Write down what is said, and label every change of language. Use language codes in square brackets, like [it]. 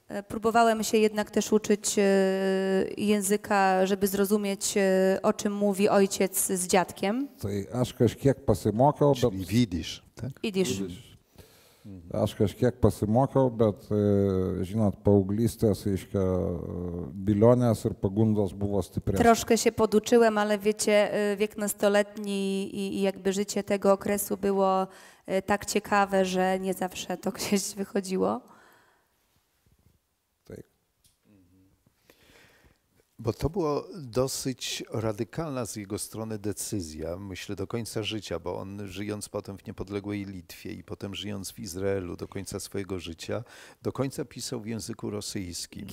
[pl] Próbowałem się jednak też uczyć języka, żeby zrozumieć, o czym mówi ojciec z dziadkiem. [lt] Tai aš kažkiek pasimokiau, bet... [pl] Czyli jidiš, tak? Jidiš. [lt] Aš kažkiek pasimokiau, bet, žinot, paauglystės, reiškia, bilionės ir pagundos buvo stipresnės. [pl] Troškę się poduczyłem, ale wiecie, wiek nastoletni i jakby życie tego okresu było tak ciekawe, że nie zawsze to gdzieś wychodziło. Tak. Bo to było dosyć radykalna z jego strony decyzja, myślę, do końca życia, bo on żyjąc potem w niepodległej Litwie i potem żyjąc w Izraelu do końca swojego życia, do końca pisał w języku rosyjskim.